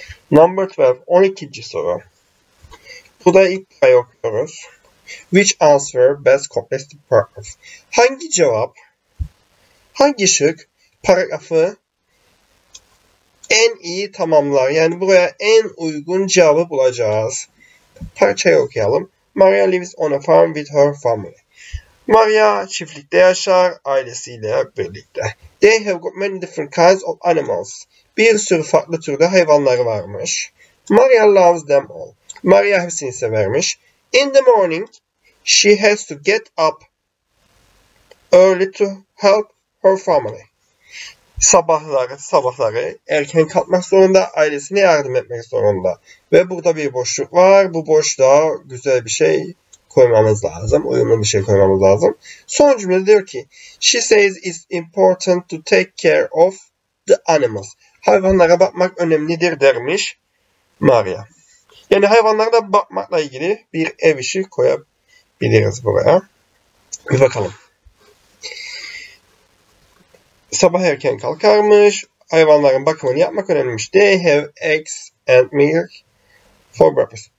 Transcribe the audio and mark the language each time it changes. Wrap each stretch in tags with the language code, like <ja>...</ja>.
<tr>Number 12, 12. soru. Burada ilk sayı okuyoruz.</tr> <en>Which answer best completes the paragraph?</en> <tr>Hangi cevap, hangi şık paragrafı en iyi tamamlar? Yani buraya en uygun cevabı bulacağız. Parçayı okuyalım.</tr> <en>Maria lives on a farm with her family. Maria çiftlikte yaşar, ailesiyle birlikte. They have got many different kinds of animals.</en> <tr>Bir sürü farklı türde hayvanları varmış. Maria loves them all.</tr> <en>Maria hepsini severmiş. In the morning, she has to get up early to help her family.</en> <tr>Sabahları erken kalkmak zorunda, ailesine yardım etmek zorunda. Ve burada bir boşluk var. Bu boşluğa güzel bir şey koymamız lazım. Uyumlu bir şey koymamız lazım.</tr> <en>Son cümle diyor ki, She says it's important to take care of the animals.</en> <tr>Hayvanlara bakmak önemlidir dermiş Maria. Yani hayvanlara da bakmakla ilgili bir ev işi koyabiliriz buraya. Bir bakalım. Sabah erken kalkarmış. Hayvanların bakımını yapmak önemliymiş.</tr> <en>They have eggs and milk for breakfast.</en>